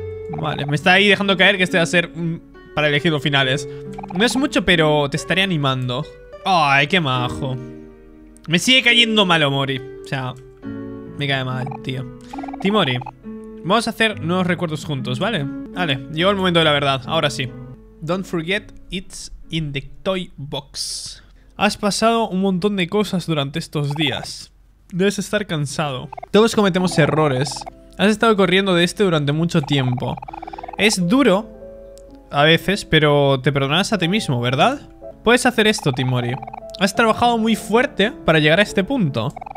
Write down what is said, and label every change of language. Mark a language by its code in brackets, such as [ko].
[es] Vale, me está ahí dejando caer que este va a ser para elegir los finales. No es mucho, pero te estaré animando. Ay, qué majo. Me sigue cayendo mal Omori. O sea, me cae mal, tío. Timori, vamos a hacer nuevos recuerdos juntos, ¿vale? Vale, llegó el momento de la verdad, ahora sí. [en] Don't forget, it's in the toy box. [es] Has pasado un montón de cosas durante estos días. Debes estar cansado. Todos cometemos errores. Has estado corriendo de este durante mucho tiempo. Es duro a veces, pero te perdonarás a ti mismo, ¿verdad? Puedes hacer esto, Timori. Has trabajado muy fuerte para llegar a este punto.